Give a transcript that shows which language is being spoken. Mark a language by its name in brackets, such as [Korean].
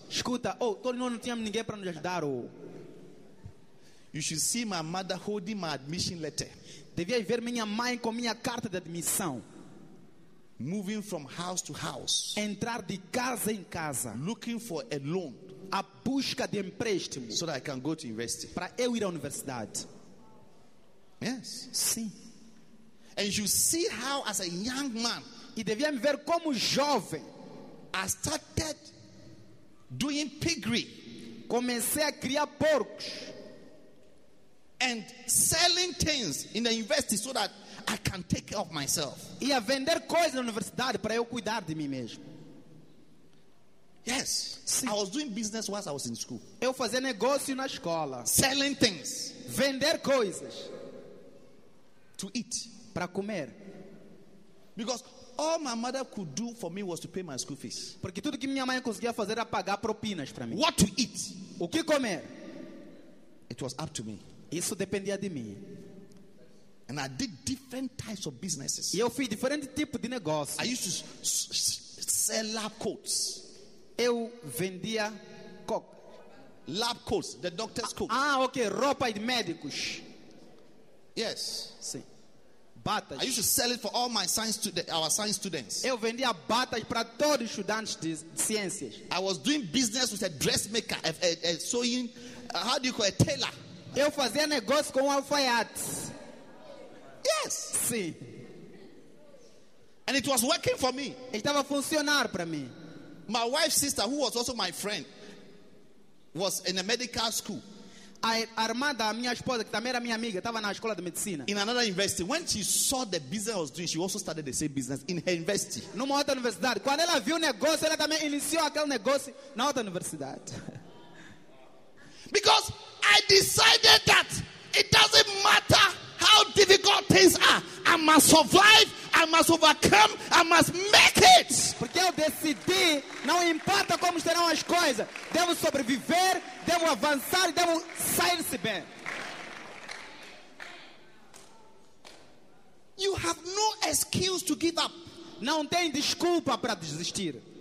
[Portuguese] Escuta, todos nós não tínhamos ninguém para nos ajudar. [English] You should see my mother holding my admission letter. [Portuguese] Devia ver minha mãe com minha carta de admissão. [English] Moving from house to house. [Portuguese] Entrar de casa em casa. [English] Looking for a loan. [Portuguese] A busca de empréstimo. [English] So that I can go to university. [Portuguese] Para eu ir à universidade. [English] Yes. [Portuguese] Sim. [English] And you see how as a young man. [Portuguese] E devia me ver como jovem. [English] I started doing piggery. [Portuguese] Comecei a criar porcos. [English] And selling things in the university so that I can take care of myself. [Portuguese] E a vender coisas na universidade para eu cuidar de mim mesmo. [English] Yes. [Portuguese] Sim. [English] I was doing business whilst I was in school. [Portuguese] Eu fazia negócio na escola. [English] Selling things. [Portuguese] Vender coisas. [English] To eat. [Portuguese] Para comer. [English] Because all my mother could do for me was to pay my school fees. [Portuguese] Porque tudo que minha mãe conseguia fazer era pagar propinas para mim. [English] What to eat. [Portuguese] O que comer. [English] It was up to me. [Portuguese] Isso dependia de mim. [English] And I did different types of businesses. [Portuguese] E eu fiz diferentes tipos de negócio. [English] I used to sell lab coats. [Portuguese] Eu vendia [English] lab coats, the doctor's coats. [Portuguese] Okay, roupa de médicos. [English] Yes. [Portuguese] Sim. Batas. [English] I used to sell it for all my science our science students. [Portuguese] Eu vendia batas para todos os estudantes de ciências. [English] I was doing business with a dressmaker, a sewing, how do you call it, a tailor. [Portuguese] Eu fazia negócio com um alfaiate. [English] Yes. [Portuguese] assim. [English] And it was working for me. [Portuguese] Estava a funcionar para mim. [English] My wife's sister, who was also my friend, was in a medical school. [Portuguese] A irmã da minha esposa, que também era minha amiga, estava na escola de medicina. [English] In another university, when she saw the business I was doing, she also started the same business in her university. [Portuguese] Numa outra universidade, quando ela viu o negócio, ela também iniciou aquele negócio na outra universidade. [English] Because I decided that it doesn't matter how difficult things are, I must survive, I must overcome, I must make it. [Portuguese] Porque eu decidi, não importa como estarão as coisas, devo sobreviver, devo avançar, devo sair-se bem. [English] You have no excuse to give up. [Portuguese] Não tem desculpa para desistir.